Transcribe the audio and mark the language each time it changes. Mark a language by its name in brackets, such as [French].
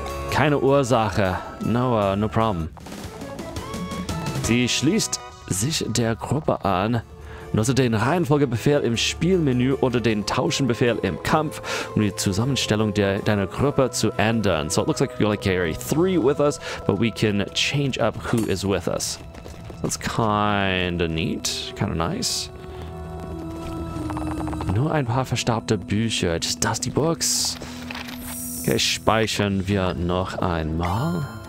[German] Keine Ursache. [English] No problem. [German] Sie schließt sich der Gruppe an. Nutze den Reihenfolgebefehl im Spielmenü oder den Tauschenbefehl im Kampf, um die Zusammenstellung deiner Gruppe zu ändern. [English] So it looks like we only carry three with us, but we can change up who is with us. That's kinda neat, kinda nice. [German] Nur ein paar verstaubte Bücher, [English] just dusty books. [German] Okay, speichern wir noch einmal.